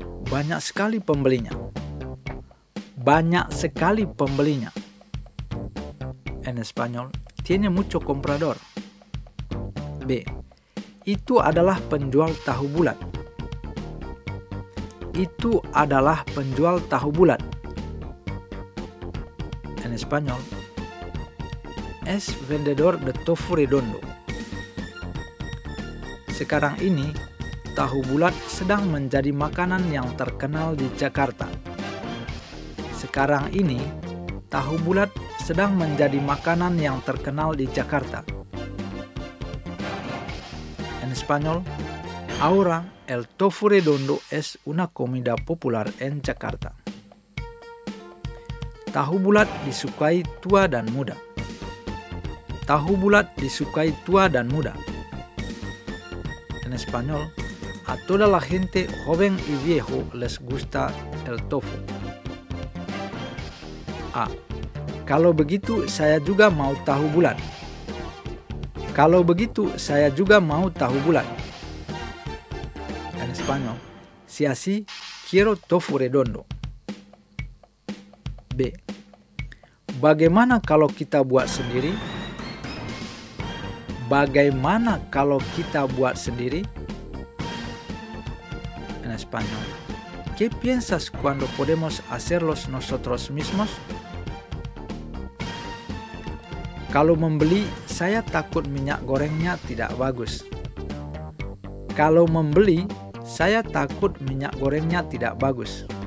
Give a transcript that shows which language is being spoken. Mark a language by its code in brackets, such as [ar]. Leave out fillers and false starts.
[id] Banyak sekali pembelinya. Banyak sekali pembelinya. [es] En español. Tiene mucho comprador. [id] B. Itu adalah penjual tahu bulat. Itu adalah penjual tahu bulat. [es] En español. Es vendedor de tofu redondo. [id] Sekarang ini, tahu bulat sedang menjadi makanan yang terkenal di Jakarta. Sekarang ini, tahu bulat sedang menjadi makanan yang terkenal di Jakarta. [es] En español, ahora el tofu redondo es una comida popular en Jakarta. [id] Tahu bulat disukai tua dan muda. Tahu bulat disukai tua dan muda. [es] En español, a toda la gente joven y viejo les gusta el tofu. [id] A. Kalau begitu, saya juga mau tahu bulat. Kalau begitu, saya juga mau tahu bulat. [es] En español, si así, quiero tofu redondo. B. [id] Bagaimana kalau kita buat sendiri? Bagaimana kalau kita buat sendiri? [es] Español. ¿Qué piensas cuando podemos hacerlos nosotros mismos? [id] Kalau membeli, saya takut minyak gorengnya tidak bagus. Kalau membeli, saya takut minyak gorengnya tidak bagus.